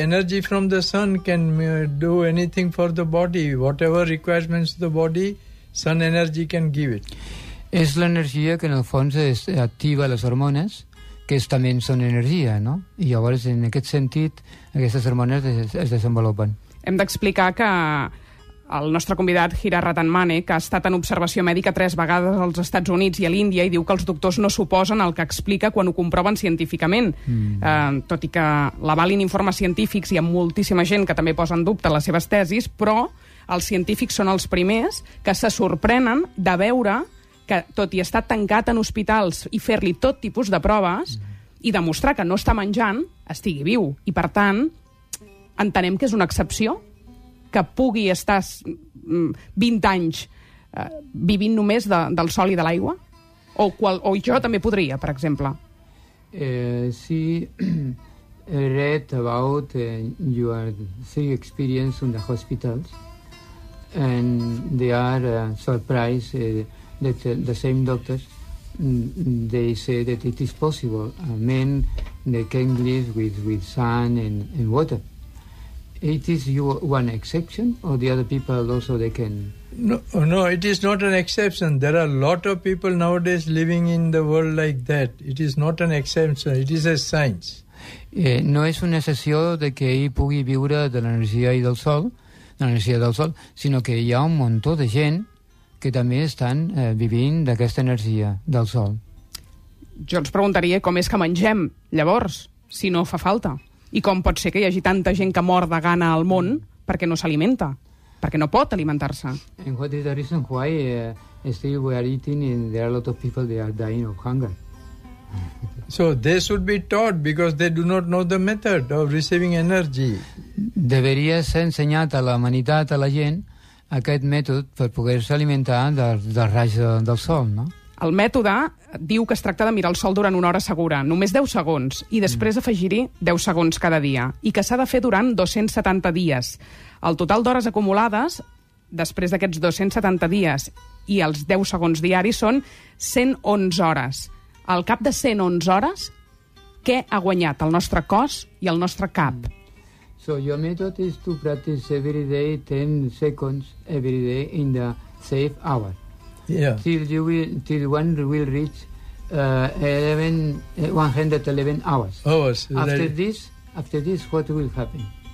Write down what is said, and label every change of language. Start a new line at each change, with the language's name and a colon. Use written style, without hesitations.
English: Energy from the sun can do anything for the body. Whatever requirements the body, sun energy can give it.
Catalan: És l'energia que en el fons activa les hormones, que també són energia, no? I llavors, en aquest sentit, aquestes hormones es desenvolupen. Hem d'explicar que el nostre convidat, Hira Ratanmanik, que ha estat en observació mèdica 3 vegades als Estats Units i a l'Índia i diu que els doctors no s'oposen al que explica quan ho comproven científicament. Tot i que l'avalin informes científics, hi ha moltíssima gent que també posa en dubte les seves tesis, però els científics són els primers que se sorprenen de veure que, tot i estar tancat en hospitals i fer-li tot tipus de proves i demostrar que no està menjant, estigui viu. I, per tant, entenem que és una excepció que pugui estar 20 anys vivint només del sol i de l'aigua? O jo també podria, per exemple?
English: Sí, read about your three experiences in the hospitals, and they are surprised that the same doctors, they say that it is possible. Men, they can live with sun and water. It is your one exception, or the other people also they can? No, it is not an exception. There are a lot of people nowadays living in the world like that. It is not an exception. It is a science.
Catalan: No és una excepció de que ell pugui viure de l'energia i del sol, de l'energia del sol, sinó que hi ha un muntó de gent que també estan vivint d'aquesta energia del sol. Jo ens preguntaria com és que mengem, llavors, si no fa falta. I com pot ser que hi hagi tanta gent que mor de gana al món perquè no s'alimenta, perquè no pot alimentar-se.
English: And what is the reason why still we are eating and there are a lot of people that are dying of hunger? So they should be taught because they do not know the method of receiving energy.
Catalan: Deberia ser ensenyat a la humanitat, a la gent, aquest mètode per poder-se alimentar del raig del sol, no? El mètode diu que es tracta de mirar el sol durant una hora segura, només 10 segons, i després afegir-hi 10 segons cada dia, i que s'ha de fer durant 270 dies. El total d'hores acumulades, després d'aquests 270 dies i els 10 segons diaris, són 111 hores. Al cap de 111 hores, què ha guanyat el nostre cos i el nostre cap?
English: So your method is to practice every day 10 seconds every day in the safe hour. Yeah. Till one will reach 111 hours. Hours. After this, what will happen?